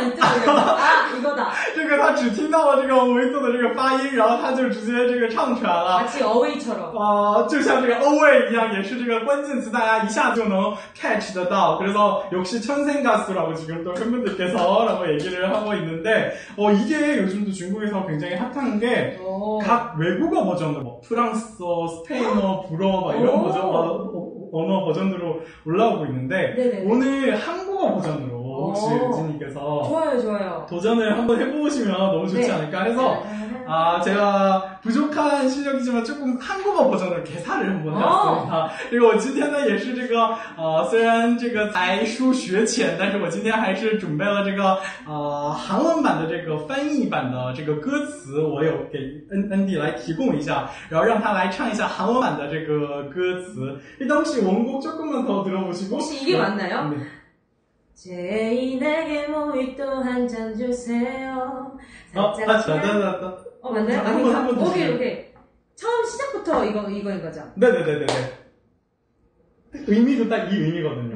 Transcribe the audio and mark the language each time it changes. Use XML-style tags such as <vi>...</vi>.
<ko>있더라고요아이거다</ko> <zh>这个他只听到了这个모히또的这个发音然后他就直接这个唱出来了</zh> <ko>마치어웨이처럼아</ko> <zh>就像这个어웨 一样也是这个关键词，大家一下就能 catch 得到。</zh> <ko>그래서 역시 천생 가수라고 지금 또 팬분들께서라고 얘기를 하고 있는데, 이게 요즘도 중국에서 굉장히 핫한 게 각 외국어 버전으로 뭐 프랑스어, 스페인어, 불어 막 이런 버전 언어 버전으로 올라오고 있는데 네네. 오늘 한국어 버전으로 혹시 유진님께서 좋아요 좋아요 도전을 한번 해보시면 너무 좋지 네. 않을까 해서 아 제가 부족한 실력이지만 조금 한국어 버전으로 개사를 한번 해봤습니다.</ko> <zh>그리고 今天呢也是这个虽然这个才疏学浅但是我今天还是准备了这个韩文版的这个翻译版的这个歌词我有给恩迪来提供一下然后让他来唱一下韩文版的这个歌词一东西</zh> <ko>원곡 조금만 더 들어보시고 혹시 이게 맞나요? 네. 제인에게 모히또 한 잔 주세요. 맞다. 맞나요? 아니, 한번 더. 오케이, 오케이. 처음 시작부터 이거인 거죠? 네네네네. 의미도 딱 이 의미거든요.</ko>